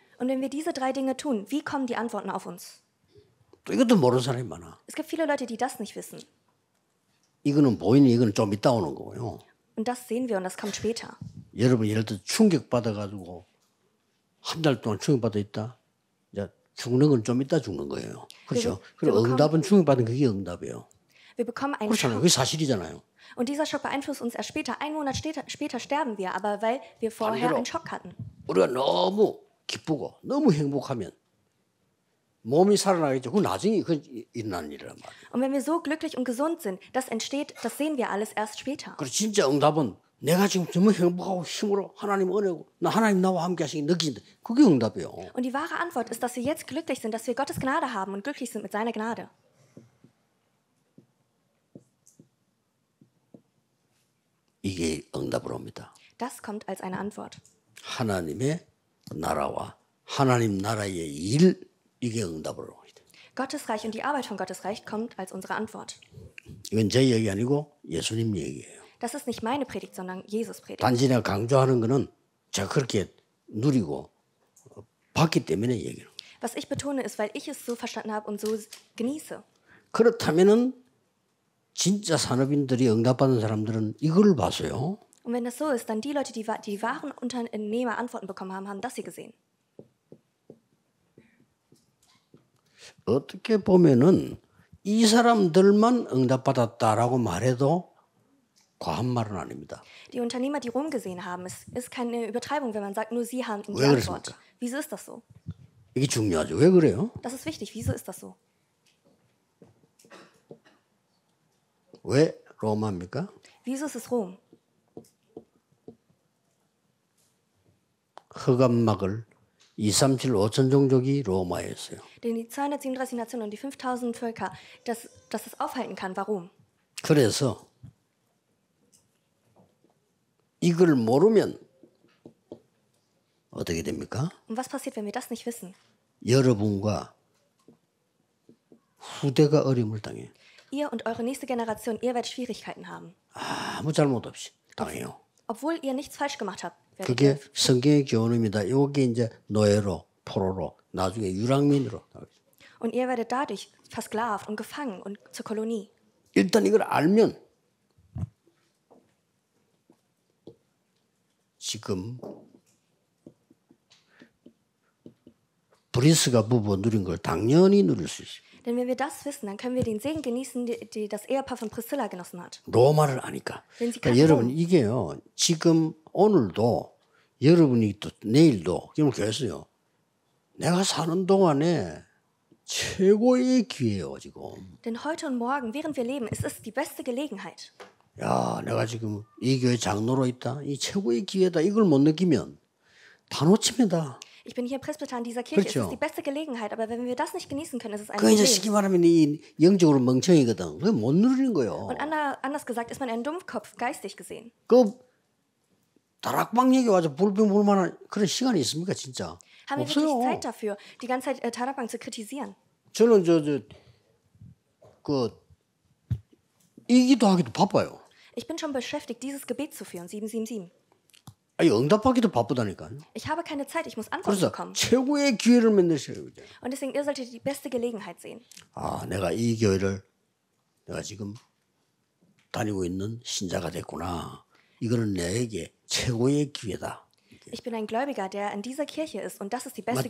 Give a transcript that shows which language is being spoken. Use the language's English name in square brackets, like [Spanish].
[German] Und wenn wir diese drei Dinge tun, wie kommen die Antworten auf uns? [Korean] 이것도 모르는 사람이 많아. [German] Es gibt viele Leute, die das nicht wissen. [Korean] 이거는 보이니 이거는 좀 이따 오는 거고요. [German] Und das sehen wir und das kommt später. [Korean] 여러분 예를 들어 충격 받아가지고 한 달 동안 충격 받아 있다. 이제 죽는 건 좀 이따 죽는 거예요. 그렇죠? 그리고 응답은 충격 받은 그게 응답이에요. [German] Wir bekommen einen [Korean] 그렇잖아요. 그게 사실이잖아요. [German] Und dieser Schock beeinflusst uns erst später. Ein Monat später sterben wir, aber weil wir vorher einen Schock hatten. [Korean] 우리가 너무 기쁘고 너무 행복하면 몸이 살아나겠죠. 그 나중에 그 일어나는 일이란 말이에요. [German] Und wenn wir so glücklich und gesund sind, das entsteht, das sehen wir alles erst später. [Korean] 그리고 진짜 응답은 내가 지금 정말 행복하고 힘으로 하나님 은혜고 나 하나님 나와 함께 하시기 느끼는데 그게 응답이에요. [German] Und die wahre Antwort ist, dass wir jetzt glücklich sind, dass wir Gottes Gnade haben und glücklich sind mit seiner Gnade. [Korean] 이게 응답으로 옵니다. [German] Das kommt als eine Antwort. [Korean] 하나님의 나라와 하나님 나라의 일 이게 응답으로 옵니다. [German] Gottes Reich und die Arbeit von Gottes Reich kommt als unsere Antwort. [Korean] 이건 제 얘기 아니고 예수님 얘기예요. [German] Das ist nicht meine Predigt, sondern Jesus Predigt. [Korean] 단지 내가 강조하는 거는 제가 그렇게 누리고 봤기 때문에 얘기를. [German] Was ich betone ist, weil ich es so verstanden habe und so genieße. [Korean] 그렇다면은 진짜 산업인들이 응답받는 사람들은 이걸 봤어요. [German] Und wenn das so ist, dann die Leute, die wahren Unternehmer Antworten bekommen haben, haben das hier gesehen. [Korean] 어떻게 보면은 이 사람들만 응답받았다라고 말해도 과한 말은 아닙니다. [German] Die Unternehmer, die Rom gesehen haben, ist keine Übertreibung, wenn man sagt, nur sie haben die Antwort. Wieso ist das so? [Korean] 이게 중요하죠. 왜 그래요? [German] Das ist wichtig. Wieso ist das so? [Korean] 왜 로마입니까? [German] Wieso ist es Rom? [Korean] 흑암막을 237 5천 종족이 로마였어요. [German] Denn die 237 Nationen und die 5000 Völker, dass es aufhalten kann, warum? [Korean] 그래서 이걸 모르면 어떻게 됩니까? [German] Und was passiert, wenn wir das nicht wissen? [Korean] 여러분과 후대가 어려움을 당해요. [German] Ihr und eure nächste Generation, ihr werdet Schwierigkeiten haben. [Korean] 아무 잘못 없이 당해요. [German] Obwohl ihr nichts falsch gemacht habt. [Korean] 그게 성경의 교훈입니다. 이게 이제 노예로, 포로로, 나중에 유랑민으로. [German] Und ihr werdet dadurch versklavt und gefangen und zur Kolonie. [Korean] 일단 이걸 알면 지금 브리스가 부부 누린 걸 당연히 누릴 수 있어요. [German] Denn wenn wir das wissen, dann können wir den Segen genießen, die das Ehepaar von Priscilla genossen hat. [Korean] 로마를 아니까. 그러니까 여러분 이게요. 지금 오늘도 여러분이 또 내일도 그럼 계세요. 내가 사는 동안에 최고의 기회예요, 지금. [German] Denn heute und morgen, während wir leben, ist es die beste Gelegenheit. [Korean] 야, 내가 지금 이 교회 장로로 있다. 이 최고의 기회다. 이걸 못 느끼면 다 놓칩니다. [German] Ich bin hier Presbyter in dieser Kirche. [Korean] 그렇죠. [German] Es ist die beste Gelegenheit, aber wenn wir das nicht genießen können, ist es ein Problem. [Korean] 그 이제 쉽게 말하면 이 영적으로 멍청이거든. 왜 못 누리는 거요? [German] Und anders gesagt, ist man ein Dummkopf geistig gesehen. [Korean] 그 다락방 얘기 와서 불평 불만한 그런 시간이 있습니까, 진짜? [German] Haben wir wirklich Zeit dafür, die ganze Zeit Tarabang zu kritisieren? [Korean] 저는 저 이 기도하기도 바빠요. [German] Ich bin schon beschäftigt, dieses Gebet zu führen, 777. [Korean] 아니, 응답하기도 바쁘다니까요. [German] Ich habe keine Zeit, ich muss antworten bekommen. [Korean] 최고의 기회를 만드셔야 돼요. [German] Und deswegen, ihr solltet die beste Gelegenheit sehen. [Korean] 아, 내가 이 교회를 내가 지금 다니고 있는 신자가 됐구나. 이거는 내게 최고의 기회다. [German] Ich bin ein Gläubiger, der in dieser Kirche ist und das ist die beste [Korean] 맞죠?